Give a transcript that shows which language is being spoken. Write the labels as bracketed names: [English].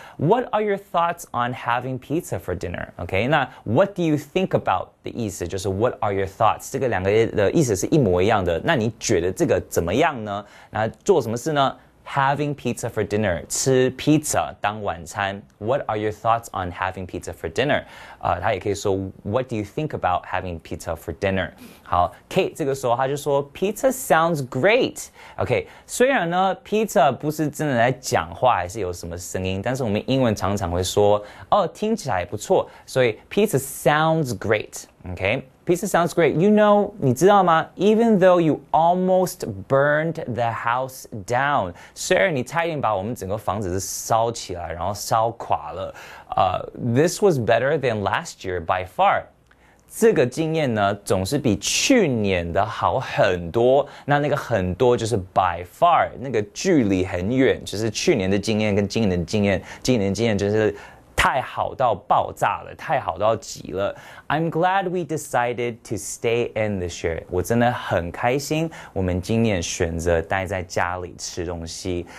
[English] What are your thoughts on having pizza for dinner? OK, 那 what do you think about [Chinese] 的意思就是 [English] what are your thoughts? [Chinese] 这个两个的意思是一模一样的，那你觉得这个怎么样呢？那做什么事呢？ [English] Having pizza for dinner, [Chinese] 吃 pizza 当晚餐。 [English] What are your thoughts on having pizza for dinner? [Chinese] 他也可以说 [English] what do you think about having pizza for dinner? [Chinese] 好 ,Kate 这个时候他就说 [English] pizza sounds great. [Chinese] OK, 虽然呢 pizza 不是真的在讲话还是有什么声音，但是我们英文常常会说哦听起来也不错，所以 [English] pizza sounds great. OK, pizza sounds great. You know, [Chinese] 你知道吗 [English] ?Even though you almost burned the house down, [Chinese] 虽然你差点把我们整个房子烧起来然后烧垮了。 [English] This was better than last year by far. [Chinese] 这个经验呢总是比去年的好很多。那那个很多就是 [English] by far, [Chinese] 那个距离很远，就是去年的经验跟今年的经验就是太好到爆炸了，太好到极了。 [English] I'm glad we decided to stay in this year. [Chinese] 我真的很开心我们今年选择待在家里吃东西。